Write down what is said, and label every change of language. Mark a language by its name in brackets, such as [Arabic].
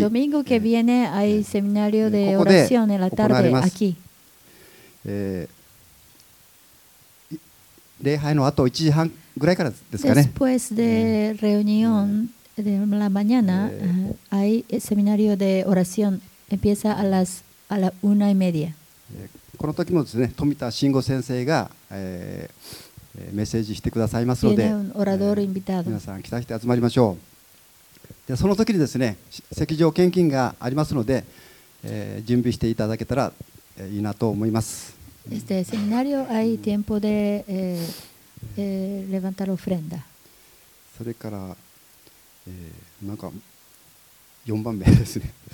[Spanish] domingo que viene hay seminario de oración en la tarde aquí。 [Japanese] 礼拝のあと1時半ぐらいからですかね。 [Spanish] Después de reunión de la mañana hay seminario de oración. Empieza a las a la una y media。 [Japanese] この時もですね、富田慎吾先生が、メッセージしてくださいますので、皆さん期待して集まりましょう。でその時にですね、席上献金がありますので、準備していただけたら、いいなと思います。 [Spanish] Este seminario hay tiempo de levantar ofrenda。 [Japanese] それから、なんか四番目ですね。